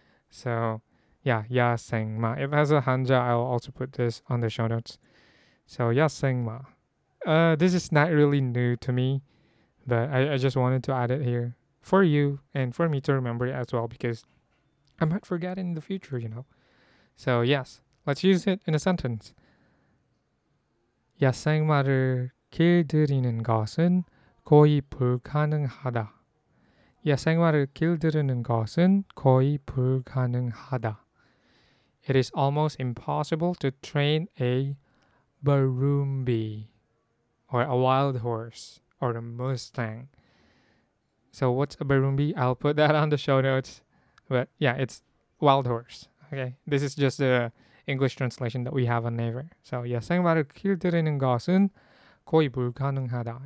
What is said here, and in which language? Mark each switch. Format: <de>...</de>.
<en>So yeah, Yasengma. It has a hanja. I'll also put this on the show notes. So Yasengma. This is not really new to me, but I just wanted to add it here for you and for me to remember it as well, because I might forget in the future, you know. So yes, let's use it in a sentence.</en> <ko>야생마를 길들이는 것은 거의 불가능하다. 야생마를 길들이는 것은 거의 불가능하다.</ko> <en>It is almost impossible to train a Burumbi, or a wild horse, or a mustang. So what's a Burumbi? I'll put that on the show notes. But yeah, it's wild horse. Okay, this is just a English translation that we have on Naver.</en> <ko>So, 야생마를 길들이는 것은 거의 불가능하다.</ko>